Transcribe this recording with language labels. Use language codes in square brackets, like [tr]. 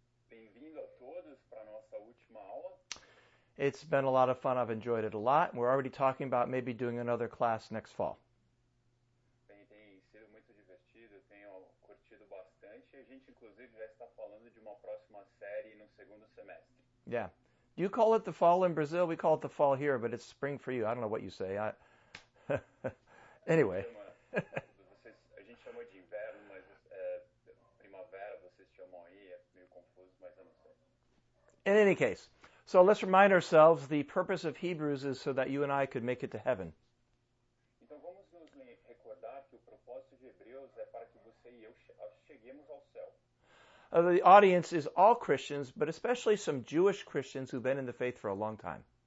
[pt] Bem-vindo a todos para nossa última aula. [en] It's been a lot of fun. I've enjoyed it a lot. We're already talking about maybe doing another class next fall. [pt] Tem sido muito divertido, tenho curtido bastante. A gente, inclusive, já está falando de uma próxima série no segundo semestre. [en] Yeah. Do you call it the fall in Brazil? We call it the fall here, but it's spring for you. I don't know what you say. Anyway. [pt] A gente chama de inverno, mas primavera, vocês chamam aí, é meio confuso, mas eu não sei. [en] In any case, so let's remind ourselves the purpose of Hebrews is so that you and I could make it to heaven. [pt] Então vamos nos recordar que o propósito de Hebreus é para que você e eu cheguemos ao céu. [en] The audience is all Christians, but especially some Jewish Christians who've been in the faith for a long time.